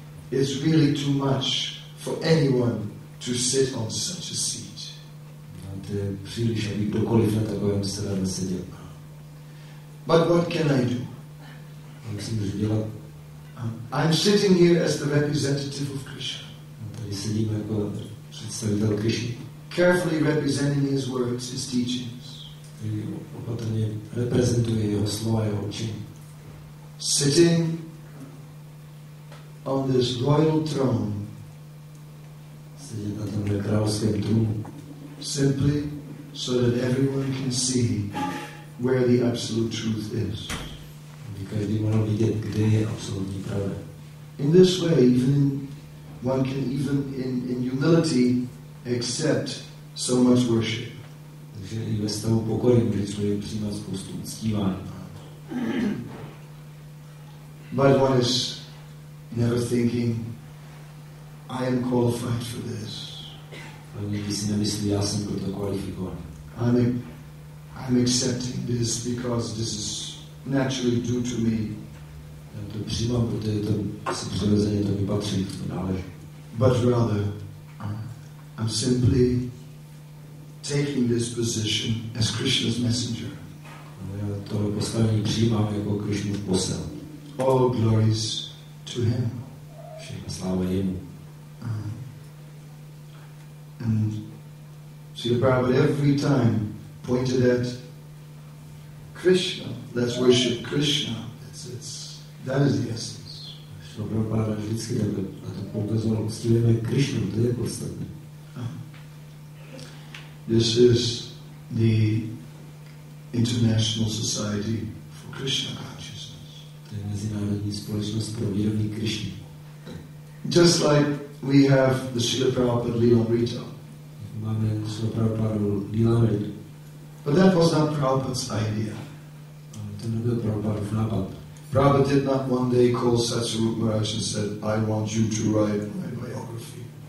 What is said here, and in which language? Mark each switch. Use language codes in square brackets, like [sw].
[en] It's really too much for anyone to sit on such a seat. [cs] To je příliš, aby kdokoliv na takovém sedadle seděl. [en] But what can I do? [cs] Jak si můžu dělat? [en] I'm sitting here as the representative of Krishna. [cs] Tady sedím jako představitel Krishny. [en] Carefully representing his words, his teachings. [cs] Který opatrně reprezentuje jeho slova, jeho učení. [en] Sitting on this royal throne. [cs] Sedět na tomhle královském trůnu. [en] Simply so that everyone can see where the absolute truth is. [cs] Každý mohl vidět, kde je absolutní pravda. [en] In this way, even one can even in humility accept so much worship. [cs] Takže i ve stavu pokory může člověk přijímat spoustu uctívání. [en] But one is never thinking, I am qualified for this. [cs] Nemyslí, já jsem proto kvalifikovaný. [en] I'm accepting this because this is naturally due to me. [cs] Já to přijímám, protože to si přirozeně to mi patří, to náleží. [en] But rather, I'm simply taking this position as Krishna's messenger. [cs] Já tohle postavení přijímám jako Krishnův posel. [en] All glories to him. [cs] Všechna sláva jemu. [en] And Srila Prabhupada every time pointed at Krishna. Let's worship Krishna. That is the essence. [cs] Srila Prabhupada vždycky takhle na to poukazoval. Uctívejme Krishnu, to je podstatné. [en] This is the International Society for Krishna Consciousness. [cs] To je mezinárodní společnost pro vědomí Krishny. [en] Just like we have the Srila Prabhupada Lilamrita. But that was not Prabhupada's idea. Prabhupada did not one day call Satsarupa Maharaj and said, I want you to write my biography.